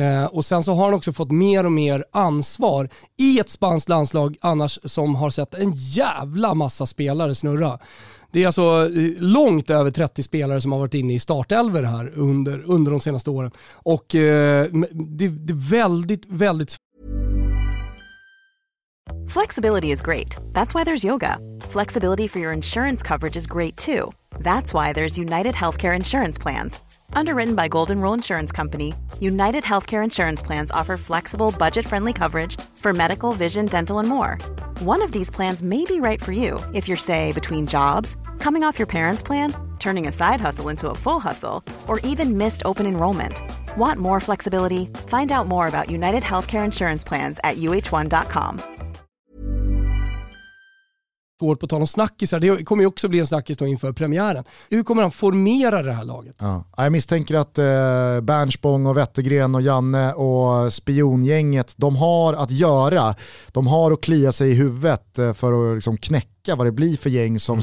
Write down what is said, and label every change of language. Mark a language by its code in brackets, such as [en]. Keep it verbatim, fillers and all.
[sv] Eh, och sen så har han också fått mer och mer ansvar i ett spanskt landslag annars, som har sett en jävla massa spelare snurra. Det är alltså långt över trettio spelare som har varit inne i startelver här under, under de senaste åren. Och eh, det, det är väldigt, väldigt... [en] Flexibility is great. That's why there's yoga. Flexibility for your insurance coverage is great too. That's why there's United Healthcare Insurance Plans. Underwritten by Golden Rule Insurance Company, United Healthcare Insurance Plans offer flexible, budget-friendly coverage for medical, vision, dental, and more. One of these plans may be right for you if you're, say, between jobs, coming off your parents' plan, turning a side hustle into a full hustle, or even missed open enrollment. Want more flexibility? Find out more about United Healthcare Insurance Plans at u h one dot com. [sv] Går på tal om snackisar. Det kommer ju också bli en snackis då inför premiären. Hur kommer han formera det här laget? Ja. Jag misstänker att eh, Bernspång och Wettergren och Janne och spiongänget, de har att göra. De har att klia sig i huvudet för att liksom knäcka vad det blir för gäng som mm.